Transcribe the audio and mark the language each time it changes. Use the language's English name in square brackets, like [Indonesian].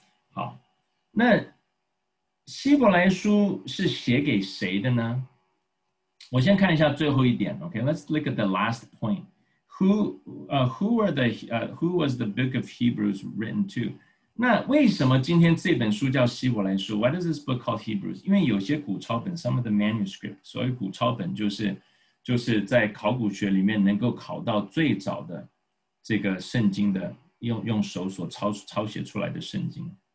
[Chinese] 好，那希伯来书是写给谁的呢？我先看一下最后一点。 [English] OK, let's look at the last point. Who was the book of Hebrews written to? [Chinese] 那为什么今天这本书叫希伯来书？ [English] Why does this book called Hebrews? [Chinese] 因为有些古抄本， [English] some of the manuscript, [Chinese] 所谓古抄本就是在考古学里面能够考到最早的这个圣经的 用手所 抄写出来的圣经。